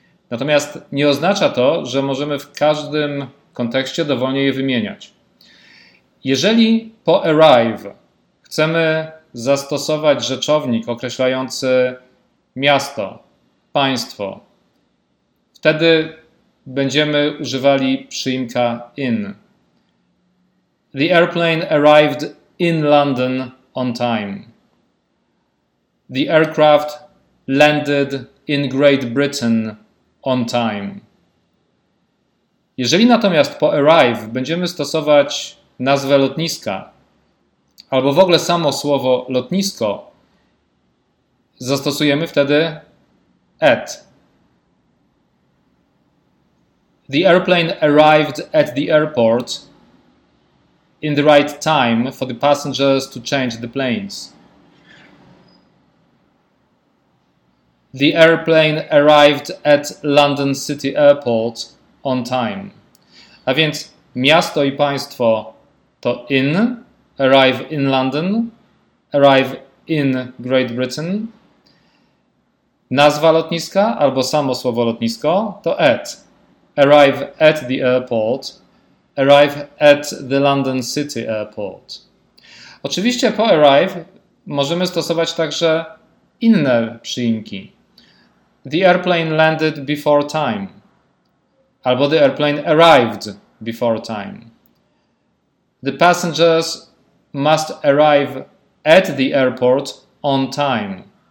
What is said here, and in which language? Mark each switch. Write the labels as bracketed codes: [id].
[pl] Natomiast nie oznacza to, że możemy w każdym kontekście dowolnie je wymieniać. Jeżeli po arrive chcemy zastosować rzeczownik określający miasto, państwo, wtedy będziemy używali przyimka in. [en] The airplane arrived in London on time. The aircraft landed in Great Britain on time. [pl] Jeżeli natomiast po arrive będziemy stosować nazwę lotniska albo w ogóle samo słowo lotnisko, zastosujemy wtedy at. [en] The airplane arrived at the airport in the right time for the passengers to change the planes. The airplane arrived at London City Airport on time. [pl] A więc miasto i państwo to in, [en] arrive in London, arrive in Great Britain. [pl] Nazwa lotniska albo samo słowo lotnisko to at. [en] Arrive at the airport, arrive at the London City Airport. [pl] Oczywiście po arrive możemy stosować także inne przyimki. [en] The airplane landed before time. Albo the airplane arrived before time. The passengers must arrive at the airport on time.